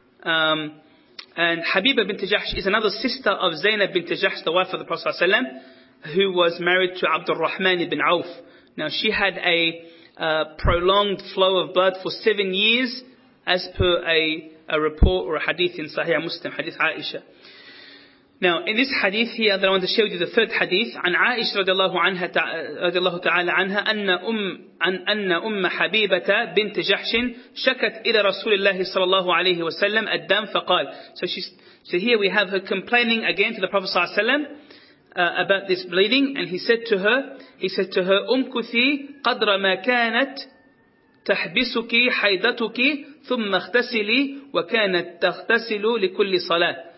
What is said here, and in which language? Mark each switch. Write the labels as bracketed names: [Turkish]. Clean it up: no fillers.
[English] And Habiba bint Jahsh is another sister of Zainab bint Jahsh, the wife of the Prophet ﷺ, who was married to Abdul Rahman ibn Auf. Now, she had a prolonged flow of blood for 7 years, as per a report or a hadith in Sahih Muslim, Hadith Aisha. Now, in this hadith here that I want to share with you, the third hadith, [Arabic] عن عائشة رضي الله تعالى عنها أن أم حبيبة بنت جحش شكت إلى رسول الله صلى الله عليه وسلم الدم فقال. [English] So here we have her complaining again to the Prophet صلى الله عليه وسلم about this bleeding, and he said to her, [Arabic] أمكثي قدر ما كانت تحبسك حيضتك ثم اغتسلي وكانت تغتسل لكل صلاة.